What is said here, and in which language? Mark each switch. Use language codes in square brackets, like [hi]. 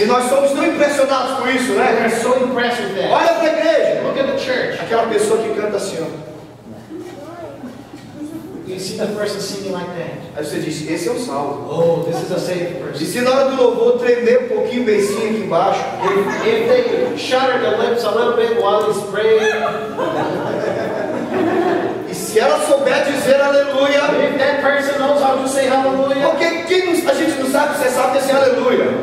[pt] E nós somos tão impressionados com isso, né? [en] We are so impressed with that. [pt] Olha para a igreja. [en] Look at the church. [pt] Aquela pessoa que canta assim. [en] You see the person singing like that. [pt] Aí você diz, esse é o salvo. [en] Oh, this is a saved person. [pt] E se na hora do louvor tremer um pouquinho o beicinho aqui embaixo? [en] If they shudder the lips a little bit while he's praying. [pt] E se ela souber dizer aleluia? [en] If that person knows how to say hallelujah. [pt] Porque a gente não sabe, você sabe dizer aleluia.